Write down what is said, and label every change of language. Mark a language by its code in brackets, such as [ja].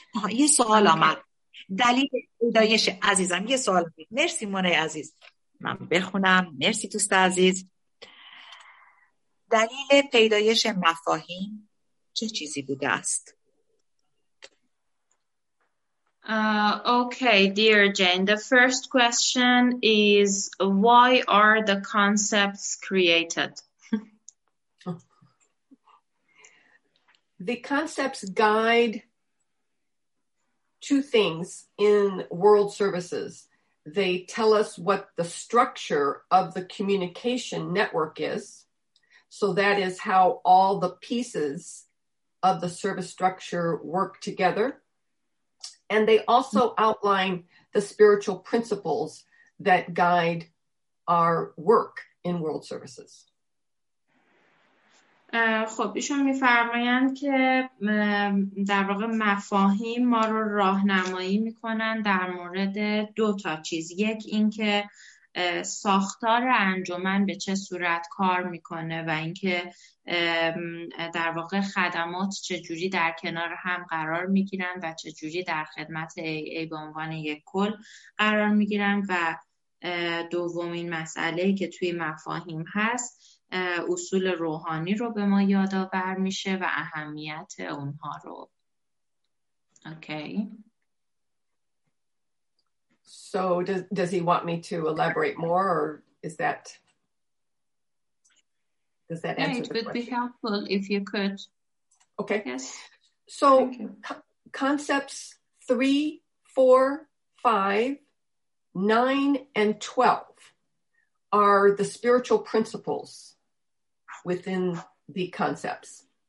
[fa] یه سوال آمد دلیل پیدایش عزیزم، یه سوال آمد. مرسی مونه عزیز، من بخونم. مرسی دوست عزیز. دلیل پیدایش مفاهیم چه چیزی بوده است؟ [en] Okay, dear Jane, the first question is why are the concepts created? The concepts guide two things in world services. They tell us what the structure of the communication network is. So that is how all the pieces of the service structure work together. And they also outline the spiritual principles that guide our work in World Services. [fa] خب ایشون میفرمایند که در واقع مفاهیم ما رو راهنمایی میکنن در مورد دو تا چیز. یک اینکه ساختار انجمن به چه صورت کار میکنه و اینکه در واقع خدمات چجوری در کنار هم قرار میگیرن و چجوری در خدمت ای به عنوان یک کل قرار میگیرن. و دومین مسئله که توی مفاهیم هست اصول روحانی رو به ما یادآور میشه و اهمیت اونها رو. [en] Okay. So does he want me to elaborate more, or is that, does that answer the question? It would be helpful if you could. Okay. Yes. So concepts 3, 4, 5, 9, and 12 are the spiritual principles within the concepts.